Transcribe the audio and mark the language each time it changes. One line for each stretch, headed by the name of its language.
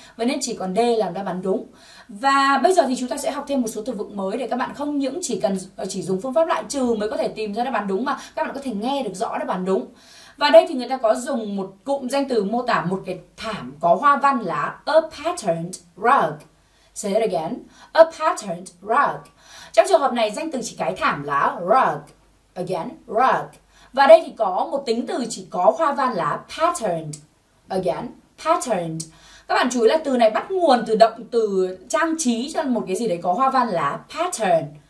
Vietnamese: Vậy nên chỉ còn D là đáp án đúng. Và bây giờ thì chúng ta sẽ học thêm một số từ vựng mới để các bạn không những chỉ dùng phương pháp loại trừ mới có thể tìm ra đáp án đúng mà các bạn có thể nghe được rõ đáp án đúng. Và đây thì người ta có dùng một cụm danh từ mô tả một cái thảm có hoa văn là a patterned rug.
English: Say it again, a patterned rug.
Vietnamese: Trong trường hợp này danh từ chỉ cái thảm là rug. Again, rug. Và đây thì có một tính từ chỉ có hoa văn là patterned. Again, patterned. Các bạn chú ý là từ này bắt nguồn từ động từ trang trí cho một cái gì đấy có hoa văn là pattern.